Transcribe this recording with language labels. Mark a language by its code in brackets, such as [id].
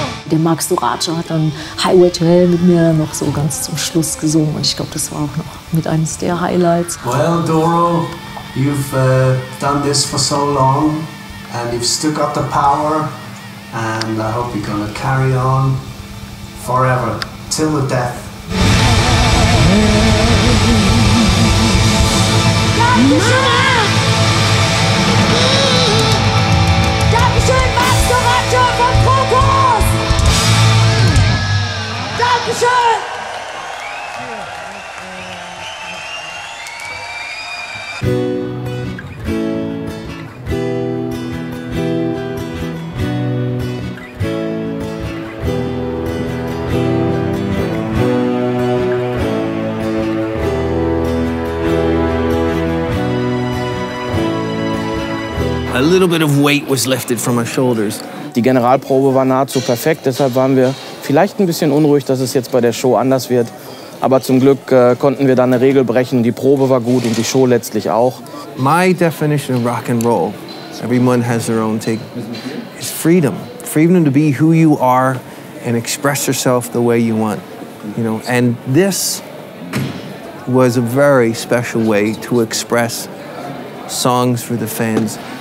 [de] der Mark Sorace hat dann Highway to Hell mit mir noch so ganz zum Schluss gesungen. Und ich glaube, das war auch noch mit eines der Highlights. [en] Well, Doro, you've done this for so long and you've still got the power. And I hope you're gonna carry on forever, till the death. [de] Dankeschön, Max Sorace von Krokus! Dankeschön! [en] A little bit of weight was lifted from our shoulders. [de] Die Generalprobe war nahezu perfekt, deshalb waren wir vielleicht ein bisschen unruhig, dass es jetzt bei der Show anders wird. Aber zum Glück konnten wir da eine Regel brechen. Die Probe war gut und die Show letztlich auch. [en] My definition of rock and roll, everyone has their own take, is freedom. Freedom to be who you are and express yourself the way you want. You know, and this was a very special way to express songs for the fans.